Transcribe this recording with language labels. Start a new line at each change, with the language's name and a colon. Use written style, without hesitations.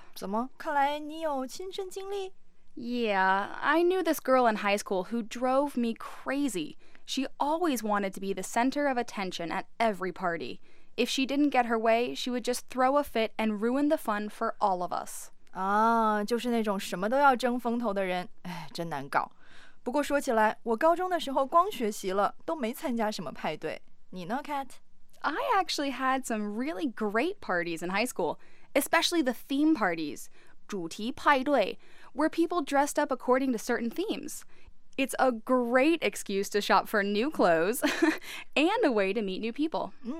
Chinese: 怎么？看来你有亲身经历。
English: Yeah, I knew this girl in high school who drove me crazy. She always wanted to be the center of attention at every party. If she didn't get her way, she would just throw a fit and ruin the fun for all of us.
Chinese: 就是那种什么都要争风头的人，哎，真难搞。不过说起来，我高中的时候光学习了，都没参加什么派对。你呢 ，Kat?
English: I actually had some really great parties in high school, especially the theme parties, 主题派对。 Where people dressed up according to certain themes. It's a great excuse to shop for new clothes and a way to meet new people.